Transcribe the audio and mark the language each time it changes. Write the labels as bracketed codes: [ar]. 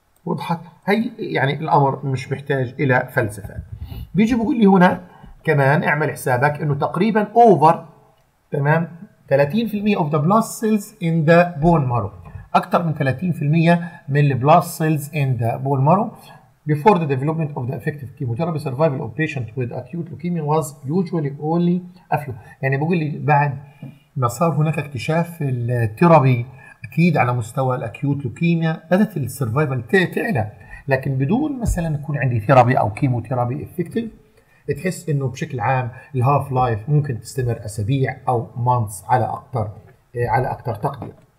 [ar] وضحت هي؟ يعني الامر مش محتاج الى فلسفه. بيجي بيقول لي هنا كمان اعمل حسابك انه تقريبا [en] over تمام 30% of the blast cells in the bone marrow, [ar] اكثر من 30% من البلاست سيلز ان ذا بون مارو. [en] Before the development of the effective chemotherapy, survival of patients with acute leukemia was usually only a few. [ar] يعني بقول لي بعد ما صار هناك اكتشاف الثيرابي اكيد على مستوى الاكيوت لوكيميا بدات السرفايفل تعلى، لكن بدون مثلا يكون عندي ثيرابي او كيموثيرابي افكتيف تحس انه بشكل عام الهاف لايف ممكن تستمر اسابيع او مانس على اكثر على اكثر تقدير.